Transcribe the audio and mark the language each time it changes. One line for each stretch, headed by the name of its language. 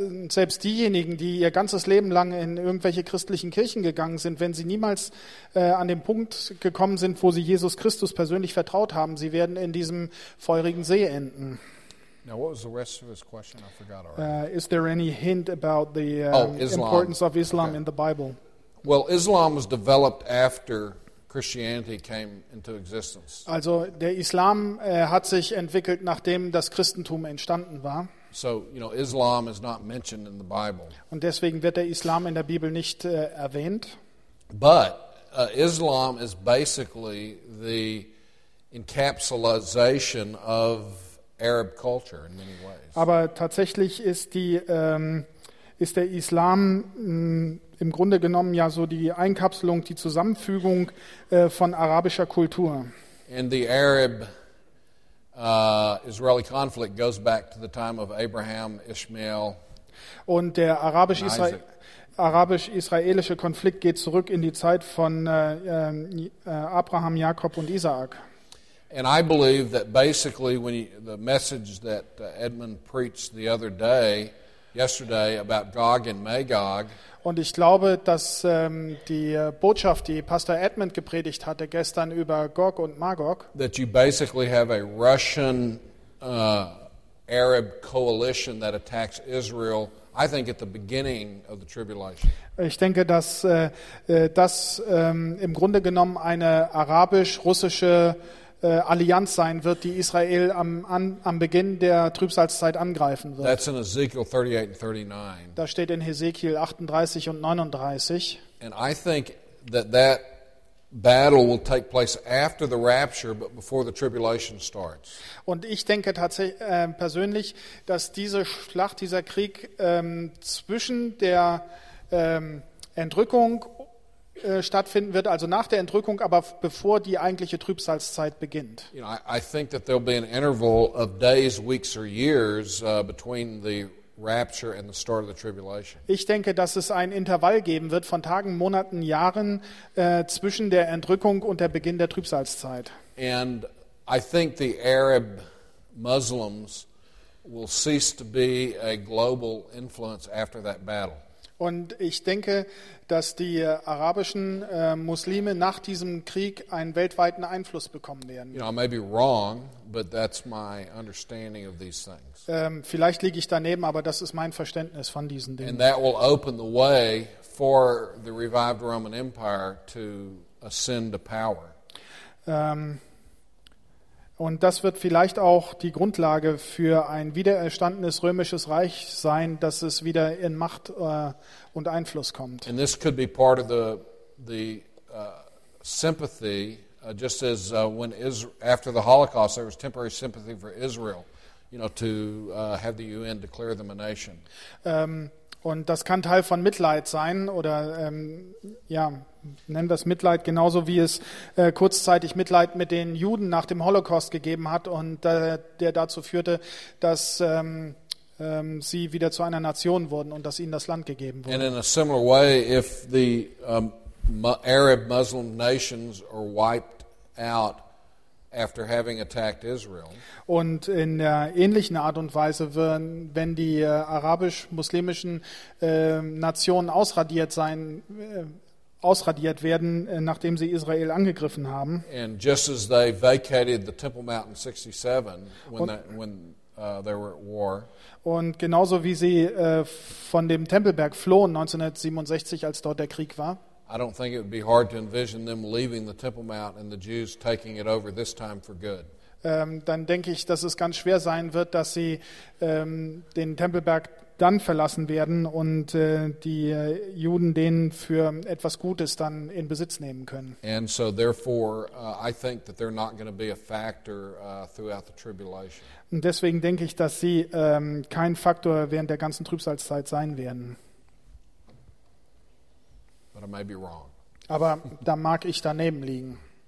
German: Selbst diejenigen, die ihr ganzes Leben lang in irgendwelche christlichen Kirchen gegangen sind, wenn sie niemals an den Punkt gekommen sind, wo sie Jesus Christus persönlich vertraut haben, sie werden in diesem feurigen See enden.
English: Now, what was the rest of his question? I forgot already. Is there any hint about the importance of Islam in the Bible? Well, Islam was developed after Christianity came into existence.
German: Also, der Islam hat sich entwickelt, nachdem das Christentum entstanden war.
English: So, you know, Islam is not mentioned in the Bible.
German: Und deswegen wird der Islam in der Bibel nicht erwähnt.
English: But Islam is basically the encapsulation of Arab culture in many ways.
German: Aber tatsächlich ist die ist der Islam im Grunde genommen ja so die Einkapselung, die Zusammenfügung von arabischer Kultur.
English: And the Arab Israeli conflict goes back to the time of Abraham, Ishmael.
German: Und der arabisch-israelische Konflikt geht zurück in die Zeit von Abraham, Jakob und Isaak.
English: And I believe that basically when the message that Edmund preached the other day, yesterday, about Gog and Magog.
German: Und ich glaube, dass die Botschaft, die Pastor Edmund gepredigt hatte gestern über Gog und Magog,
English: that you basically have a Russian Arab coalition that attacks Israel, I think at the beginning of the tribulation.
German: Ich denke, dass das im Grunde genommen eine arabisch-russische Allianz sein wird, die Israel am Beginn der Trübsalzeit angreifen wird.
English: That's in Ezekiel 38 and 39.
German: Da steht in Hesekiel 38 und 39.
English: And I think that battle will take place after the rapture but before the tribulation starts.
German: Und ich denke tatsächlich persönlich, dass diese Schlacht, dieser Krieg zwischen der Entrückung stattfinden wird, also nach der Entrückung, aber bevor die eigentliche Trübsalzeit beginnt.
English: You know, I think that there'll be an interval of days, weeks or years between the rapture and the start of the tribulation.
German: Ich denke, dass es ein Intervall geben wird von Tagen, Monaten, Jahren zwischen der Entrückung und der Beginn der Trübsalzeit.
English: And I think the Arab Muslims will cease to be a global influence after that battle.
German: Und ich denke, dass die arabischen Muslime nach diesem Krieg einen weltweiten Einfluss bekommen werden.
English: You know, I may be wrong, but that's my understanding of these things.
German: Vielleicht liege ich daneben, aber das ist mein Verständnis von diesen Dingen.
English: And that will open the way for the revived Roman Empire to ascend to power.
German: Und das wird vielleicht auch die Grundlage für ein wiedererstandenes römisches Reich sein, dass es wieder in Macht und Einfluss kommt.
English: And this could be part of the sympathy, just as when after the Holocaust there was temporary sympathy for Israel, you know, to have the UN declare them a nation.
German: Und das kann Teil von Mitleid sein oder ja, nennen wir es Mitleid, genauso wie es kurzzeitig Mitleid mit den Juden nach dem Holocaust gegeben hat und der dazu führte, dass sie wieder zu einer Nation wurden und dass ihnen das Land gegeben wurde.
English: And in a similar way, if the Arab Muslim nations are wiped out after having attacked Israel.
German: Und in der ähnlichen Art und Weise, wenn die arabisch-muslimischen Nationen ausradiert werden, nachdem sie Israel angegriffen haben.
English: And just as they vacated the Temple Mount in 67, they were at war.
German: Und genauso wie sie von dem Tempelberg flohen 1967, als dort der Krieg war.
English: I don't think it would be hard to envision them leaving the Temple Mount and the Jews taking it over this time for good.
German: Dann denke ich, dass es ganz schwer sein wird, dass sie den Tempelberg dann verlassen werden und die Juden den für etwas Gutes dann in Besitz nehmen können.
English: And so therefore I think that they're not going to be a factor throughout the tribulation.
German: Und deswegen denke ich, dass sie kein Faktor während der ganzen Trübsalzeit sein werden.
English: But I may be wrong.
German: Aber da mag ich daneben liegen.